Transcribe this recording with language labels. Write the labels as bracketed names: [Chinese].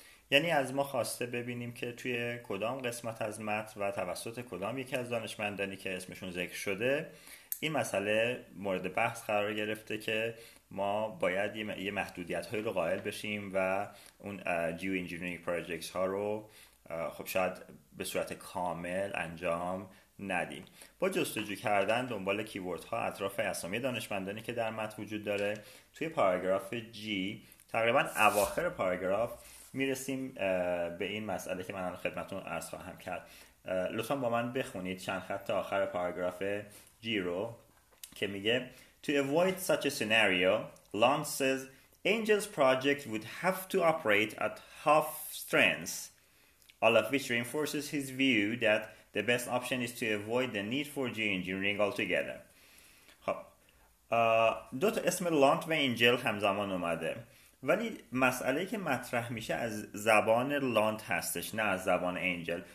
[Persian] یعنی از ما خواسته ببینیم که توی کدام قسمت از متن و توسط کدام یکی از دانشمندانی که اسمشون ذکر شده این مسئله مورد بحث قرار گرفته که ما باید یه محدودیت هایی رو قائل بشیم و اون جیو انجینیرینگ پروژکت ها رو خب شاید به صورت کامل انجام ندیم. با جستجو کردن دنبال کیورد ها اطراف اسامی دانشمندانی که در متن وجود داره توی پاراگراف G تقریبا اواخر پاراگراف میرسیم به این مسئله که من خدمتون عرض خواهم کرد. لطفا با من بخونید چند خط آخر پاراگراف G رو که میگه [English] To avoid such a scenario, Lund says Angel's project would have to operate at half strength, all of which reinforces his view that the best option is to avoid the need for geoengineering altogether. [Persian] خب دو تا اسم لانت و انجل همزمان اومده. ولی مسئله که مطرح میشه از زبان لانت هستش نه از زبان انجل.